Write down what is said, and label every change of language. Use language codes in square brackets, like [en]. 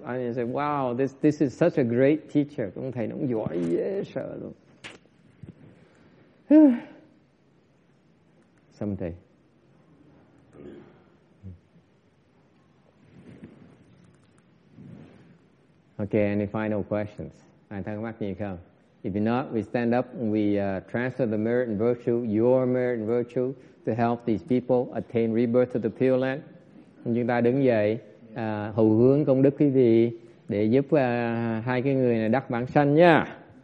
[en] I said, wow, this is such a great teacher. [vi] Ông thầy nó giỏi dễ sợ luôn. [en] Someday. Okay, any final questions? [vi] Ai thắc mắc gì không? [en] If not, we stand up and we transfer the merit and virtue, your merit and virtue, to help these people attain rebirth to the Pure Land. [vi] Chúng ta đứng dậy, hầu hướng công đức quý vị để giúp hai cái người này đắc vãng sanh nha.